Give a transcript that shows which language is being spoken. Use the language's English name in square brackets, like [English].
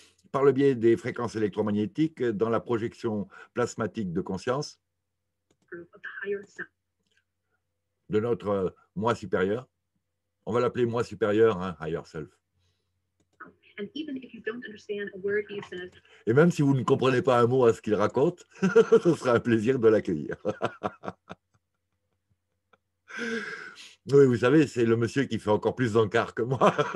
[French] Par le biais des fréquences électromagnétiques dans la projection plasmatique de conscience de notre moi supérieur. On va l'appeler moi supérieur, hein, higher self. [English] And even if you don't understand a word he says, [French] et même si vous ne comprenez pas un mot à ce qu'il raconte, ce sera un plaisir de l'accueillir. Oui, vous savez, c'est le monsieur qui fait encore plus d'encarts que moi.